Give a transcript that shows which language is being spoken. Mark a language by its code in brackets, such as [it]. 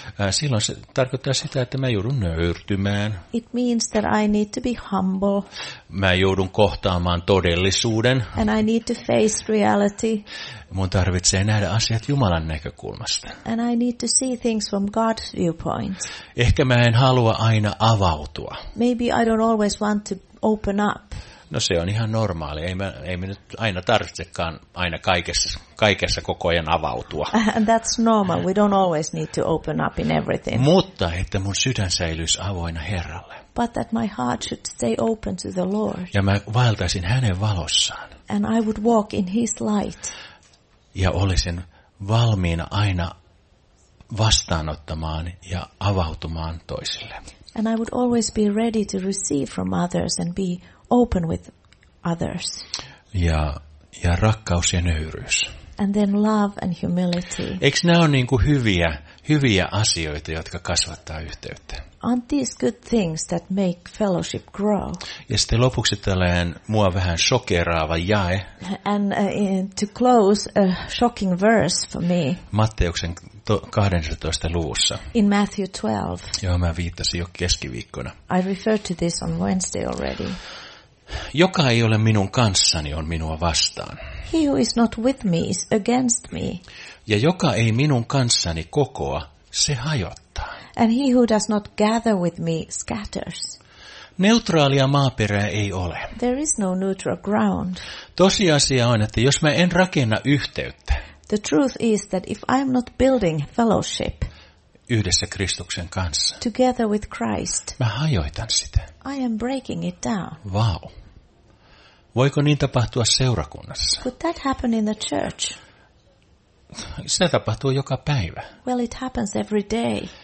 [fi] Silloin se tarkoittaa sitä, että mä joudun nöyrtymään. [en] It means that I need to be humble. [fi] Mä joudun kohtaamaan todellisuuden. [en] And I need to face reality. [fi] Mun tarvitsee nähdä asiat Jumalan näkökulmasta. [en] And I need to see things from God's viewpoint. [fi] Ehkä mä en halua aina avautua. [en] Maybe I don't always want to open up. [fi] No se on ihan normaali. Ei me nyt aina tarvitsekaan aina kaikessa koko ajan avautua. [en] And that's normal. We don't always need to open up in everything. [fi] Mutta että mun sydän säilyisi avoinna Herralle. [en] But that my heart should stay open to the Lord. [fi] Ja mä vaeltaisin hänen valossaan. [en] And I would walk in his light. [fi] Ja olisin valmiina aina vastaanottamaan ja avautumaan toisille. [en] And I would always be ready to receive from others and be open with others. [fi] Ja rakkaus ja nöyryys. [en] And then love and humility. [fi] Eiks nää on niinku hyviä asioita, jotka kasvattaa yhteyttä. [en] Aren't these good things that make fellowship grow? [fi] Ja sitten lopuksi tällainen mua vähän shokeraava jae. [en] And to close a shocking verse for me. [fi] Matteuksen 12. luvussa. [en] In Matthew 12. [fi] Joo, mä viittasin jo keskiviikkona. [en] I referred to this on Wednesday already. [fi] Joka ei ole minun kanssani on minua vastaan. [en] He who is not with me is against me. [fi] Ja joka ei minun kanssani kokoa, se hajottaa. [en] And he who does not gather with me scatters. [fi] Neutraalia maaperää ei ole. [en] There is no neutral ground. [fi] Tosiasia on, että jos mä en rakenna yhteyttä. [en] The truth is that if I'm not building fellowship. [fi] Yhdessä Kristuksen kanssa. [en] Together with Christ. [fi] Mä hajoitan sitä. [en] I am breaking it down. Wow. [fi] Voiko niin tapahtua seurakunnassa? [en] Could that happen in the church? [fi] Se tapahtuu joka päivä. [en] Well, it happens every day.